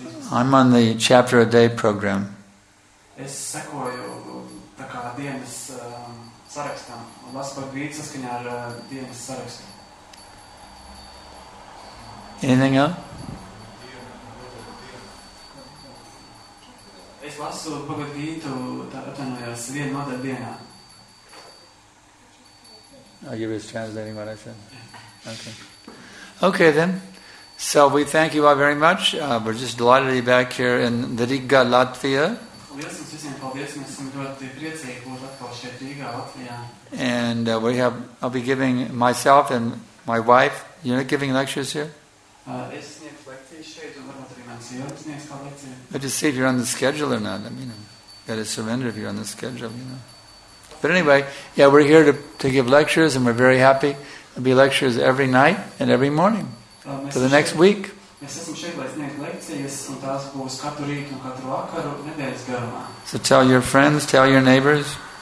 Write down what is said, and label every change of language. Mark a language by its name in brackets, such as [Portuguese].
[English] I'm on the chapter a day program. [Latvian] Es sekoju tā kā dienas sarakstam un lasu par grīdu saskaņā ar dienas sarakstu. [English] Anything else? [Latvian] Es lasu par grīdu atvainojos vienu nodaļu dienā. [English] Are you just translating what I said? Okay then. So we thank you all very much. We're just delighted to be back here in Riga, Latvia. [Latvian] Liels jums visiem paldies, mēs esam ļoti priecīgi būt atkal šeit Rīgā, Latvijā. [English] And I'll be giving myself and my wife, you're giving lectures here? [Latvian] Es sniegšu lekcijas šeit, un varbūt arī mans sievas sniegs kā lekciju. [English] But just see if you're on the schedule or not, I mean, you gotta surrender if you're on the schedule, you know. But anyway, yeah, we're here to give lectures, and we're very happy. There'll be lectures every night and every morning for the next week. So tell your friends, tell your neighbors.